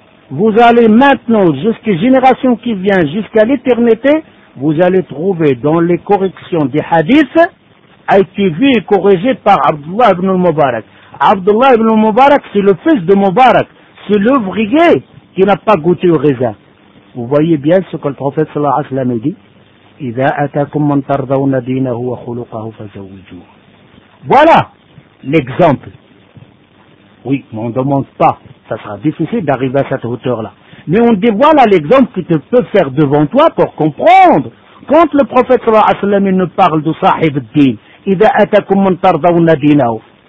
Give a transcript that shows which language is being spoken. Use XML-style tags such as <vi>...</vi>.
<fr>Vous allez maintenant, jusqu'à génération qui vient, jusqu'à l'éternité, vous allez trouver dans les corrections des hadiths, a été vu et corrigé par Abdullah ibn al-Mubarak. Abdullah ibn al-Mubarak, c'est le fils de Mubarak, c'est l'ouvrier qui n'a pas goûté au raisin. Vous voyez bien ce que le prophète sallallahu alayhi wa sallam a dit.</fr> <ar>إذا أتاكم من ترضون دينه وخلقه فزوجوه.</ar> <fr>Voilà l'exemple. Oui, mais on ne demande pas. Ça sera difficile d'arriver à cette hauteur-là. Mais on dit voilà l'exemple qui te peut faire devant toi pour comprendre. Quand le prophète sallallahu alayhi wa sallam nous parle de sahib al-din,</fr> <ar>إذا أتاكم من ترضون دينه.</ar>